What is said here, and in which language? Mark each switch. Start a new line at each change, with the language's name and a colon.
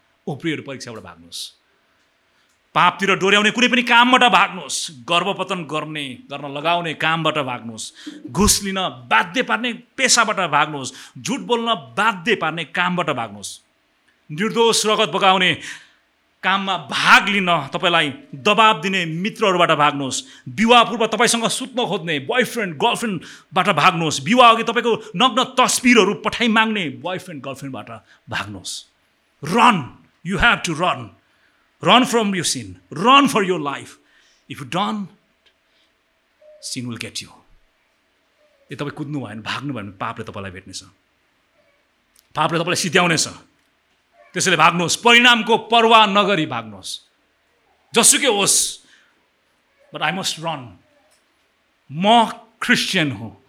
Nepali: उप्रियहरू परीक्षाबाट भाग्नुहोस्, पापतिर डोर्याउने कुनै पनि कामबाट भाग्नुहोस्, गर्भपतन गर्न लगाउने कामबाट भाग्नुहोस्, घुस लिन बाध्य पार्ने पेसाबाट भाग्नुहोस्, झुट बोल्न बाध्य पार्ने कामबाट भाग्नुहोस्, निर्दोष रगत बगाउने काममा भाग लिन तपाईँलाई दबाब दिने मित्रहरूबाट भाग्नुहोस्, विवाहपूर्व तपाईँसँग सुत्न खोज्ने बोयफ्रेन्ड गर्लफ्रेन्डबाट भाग्नुहोस्, विवाह अघि तपाईँको नग्न तस्बिरहरू पठाइमाग्ने boyfriend गर्लफ्रेन्डबाट भाग्नुहोस्।
English: Run, you have to run, run from you sin, run for your life, if you don't sin will get you.
Nepali: यदि तपाईँ कुद्नु भयो भने, भाग्नु भयो भने पापले तपाईँलाई भेट्नेछ, पापले तपाईँलाई सित्याउनेछ। त्यसैले भाग्नुहोस्, परिणामको पर्वाह नगरी भाग्नुहोस्, जसुकै होस्,
English: But I must run.
Nepali: म क्रिस्चियन हो,